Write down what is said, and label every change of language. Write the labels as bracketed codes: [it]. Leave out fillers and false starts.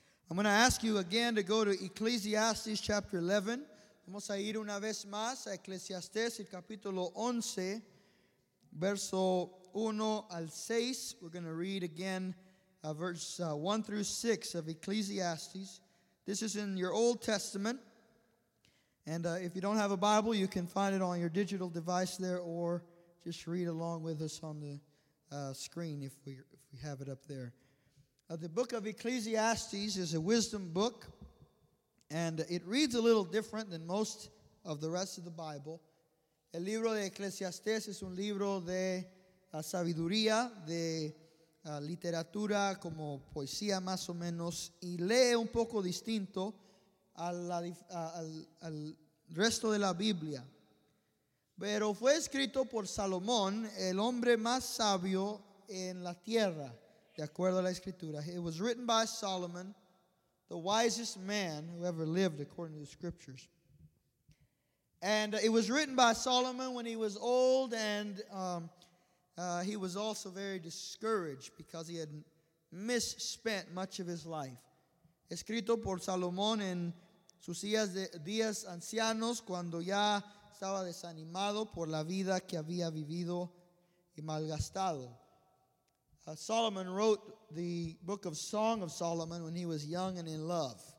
[en] I'm going to ask you again to go to Ecclesiastes chapter 11. [es] Vamos a ir una vez más a Ecclesiastes, el capítulo 11, verso 1 al 6. [en] We're going to read again verse 1 through 6 of Ecclesiastes. This is in your Old Testament. And if you don't have a Bible, you can find it on your digital device there, or just read along with us on the screen if we have it up there. The book of Ecclesiastes is a wisdom book, and it reads a little different than most of the rest of the Bible. [es] El libro de Ecclesiastes es un libro de sabiduría, de literatura, como poesía más o menos, y lee un poco distinto al resto de la Biblia. Pero fue escrito por Salomón, el hombre más sabio en la tierra. De acuerdo a la escritura, [en] it was written by Solomon, the wisest man who ever lived, according to the scriptures. And it was written by Solomon when he was old, and he was also very discouraged because he had misspent much of his life. [es] Escrito por Salomón en sus días ancianos, cuando ya estaba desanimado por la vida que había vivido y malgastado. [en] Solomon wrote the book of Song of Solomon when he was young and in love.